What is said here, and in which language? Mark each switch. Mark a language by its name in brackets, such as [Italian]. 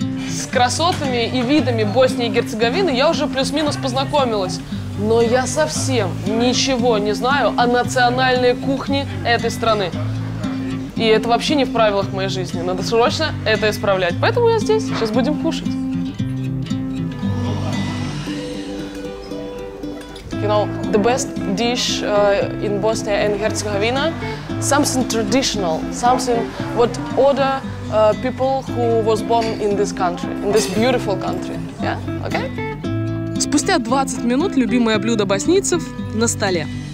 [Russian] С красотами и видами Боснии и Герцеговины я уже плюс-минус познакомилась. Но я совсем ничего не знаю о национальной кухне этой страны. И это вообще не в правилах моей жизни. Надо срочно это исправлять. Поэтому я здесь. Сейчас будем кушать. [English] You know, the best dish in Bosnia and Herzegovina, something traditional, something what order people who was born in this country, in this beautiful country. Yeah? Okay? [Russian] Спустя 20 минут любимое блюдо боснийцев на столе.